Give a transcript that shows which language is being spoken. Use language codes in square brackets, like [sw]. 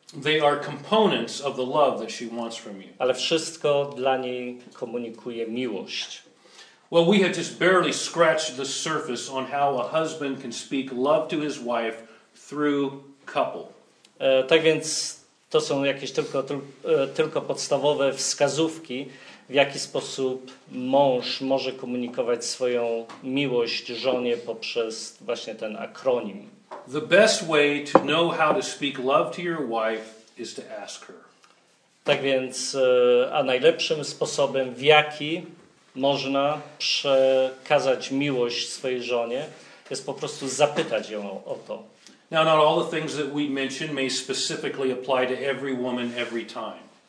[en] They are components of the love that she wants from you. [pl] Ale wszystko dla niej komunikuje miłość. [en] Well, we have just barely scratched the surface on how a husband can speak love to his wife through couple. [pl] Tak więc to są jakieś tylko podstawowe wskazówki, w jaki sposób mąż może komunikować swoją miłość żonie poprzez właśnie ten akronim. [en] The best way to know how to speak love to your wife is to ask her. [pl] Tak więc, a najlepszym sposobem, w jaki można przekazać miłość swojej żonie, jest po prostu zapytać ją o to. [en] Now, not all the things that we mention may specifically apply to every woman every time.